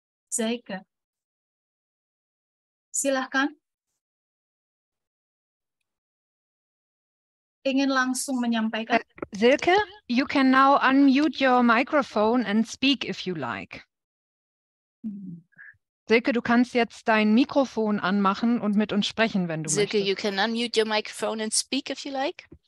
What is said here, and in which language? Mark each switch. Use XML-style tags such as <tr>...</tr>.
<id>Silke. Silahkan. Ingin langsung menyampaikan.</id> <en>Silke, you can now unmute your microphone and speak if you like.</en> <de>Silke, du kannst jetzt dein Mikrofon anmachen und mit uns sprechen, wenn du Silke, möchtest.</de> <en>Silke, you can unmute your microphone and speak if you like.</en>